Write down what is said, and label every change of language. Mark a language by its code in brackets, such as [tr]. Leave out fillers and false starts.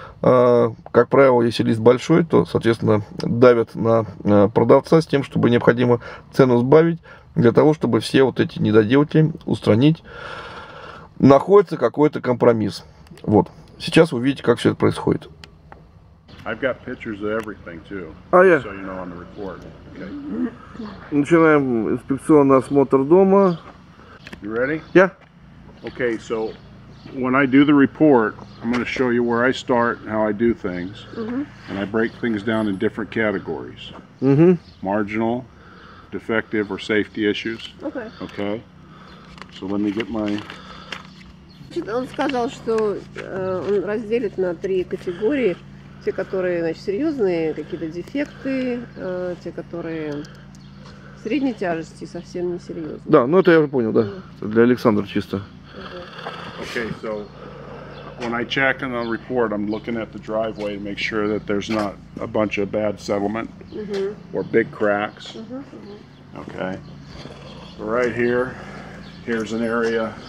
[ru] Как правило, если лист большой, то, соответственно, давят на продавца с тем, чтобы необходимо цену сбавить для того, чтобы все вот эти недоделки устранить. Находится какой-то компромисс. Вот. Сейчас вы увидите, как все это происходит. [en] I've got pictures of everything too. Oh, yeah. So you know on the report. Okay. [ru] Начинаем инспекционный осмотр дома. [en] You ready? Yeah. Okay, so when I do the report, I'm going to show you where I start and how I do things. Mm-hmm. And I break things down in different categories. Mm-hmm. Marginal, defective, or safety issues. Okay. Okay. So let me get my. [ru] Он сказал, что он разделит на три категории. Те, которые, значит, серьезные, какие-то дефекты, те, которые средней тяжести, совсем не серьезные. Да, ну это я уже понял, да. Для Александра чисто. [en] Okay, so when I check in the report, I'm looking at the driveway to make sure that there's not a bunch of bad settlement or big cracks. Okay. So right here, here's an area.